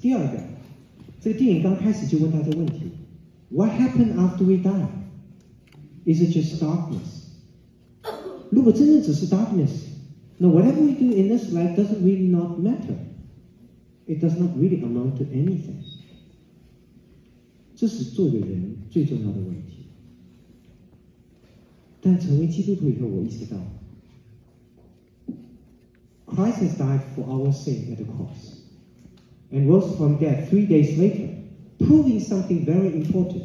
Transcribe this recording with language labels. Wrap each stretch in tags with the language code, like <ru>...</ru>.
<zh>第二个，这个电影刚开始就问大家问题 ：</zh> <en>What happened after we die？ Is it just darkness？</en> <zh>如果真的只是</zh> <en>darkness， Now, whatever we do in this life doesn't really not matter. It does not really amount to anything.</en> <zh>这是做一个人最重要的问题。但成为基督徒以后，我意识到</zh> <en>，Christ has died for our sin at the cross, and rose from death 3 days later, proving something very important.</en>